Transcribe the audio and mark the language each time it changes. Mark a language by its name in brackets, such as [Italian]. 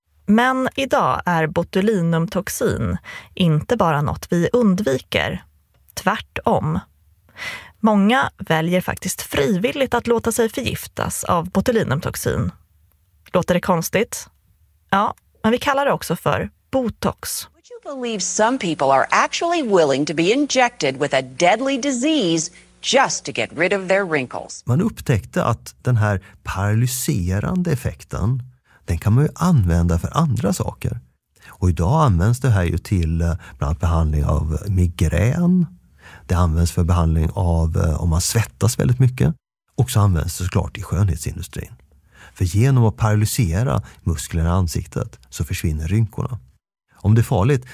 [Swedish] Men idag är botulinumtoxin inte bara något vi undviker. Tvärtom. Många väljer faktiskt frivilligt att låta sig förgiftas av botulinumtoxin. Låter det konstigt? Ja, men vi kallar det också för Botox. [English] Would you believe some people are actually willing to be injected with a deadly disease just to get rid of their wrinkles? [Swedish] Man upptäckte att den här paralyserande effekten, den kan man ju använda för andra saker. Och idag används det här ju till bland annat behandling av migrän. Det används för behandling av om man svettas väldigt mycket. Och så används det såklart i skönhetsindustrin. För genom att paralysera musklerna i ansiktet så försvinner rynkorna. Om det är farligt?